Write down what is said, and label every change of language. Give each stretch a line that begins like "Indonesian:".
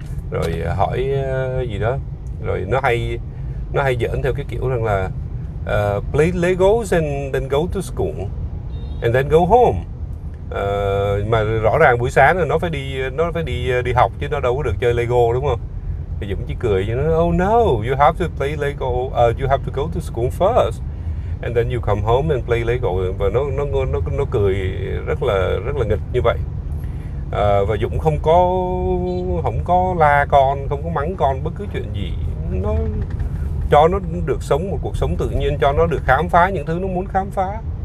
Vietnamese: Rồi hỏi gì đó. Rồi nó hay giỡn theo cái kiểu rằng là
English: play Legos and then go to school and then go home.
Vietnamese: Mà rõ ràng buổi sáng là nó phải đi đi học chứ nó đâu có được chơi Lego, đúng không? Thì Dũng chỉ cười cho nó,
English: oh no, you have to play Lego, you have to go to school first. And then you come home and play Lego.
Vietnamese: Và nó cười rất là nghịch như vậy. Và Dũng không có la con, không có mắng con bất cứ chuyện gì. Nó cho nó được sống một cuộc sống tự nhiên, cho nó được khám phá những thứ nó muốn khám phá.